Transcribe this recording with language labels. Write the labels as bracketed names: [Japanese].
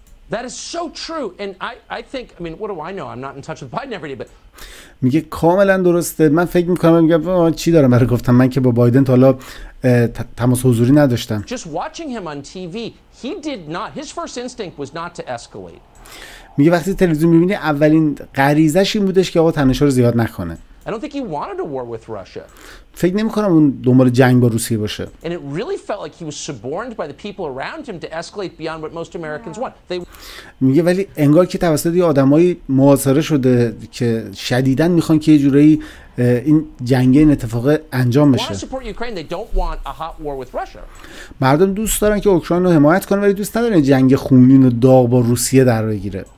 [English] That is so true, and I think, I mean, what do I know? I'm not in touch with Biden every day, but. [Persian] میگه کاملا درسته. من فکر میکنم، میگم چی دارم برای گفتم؟ من که با بایدن تا حالا تماس حضوری نداشتم. [English] Just watching him on TV, he did not. His first instinct was not to escalate. [Persian] میگه وقتی تلویزیون میبینی، اولین غریزش این بودش که آقا تنش رو زیاد نکنه. [English] I don't think he wanted a war with Russia. [Persian] فکر نمی‌کنم اون دنبال جنگ با روسیه باشه. [English] And it really felt like he was suborned by the people around him to escalate beyond what most Americans want. [Persian] میگه ولی انگار که توسط یه آدمای محاصره شده که شدیداً می‌خوان که یه جوری این جنگ این اتفاق انجام بشه. [English] They support Ukraine, they don't want a hot war with Russia. [Persian] مردم دوست دارن که اوکراین رو حمایت کنه، ولی دوست ندارن جنگ خونین و داغ با روسیه در بگیره.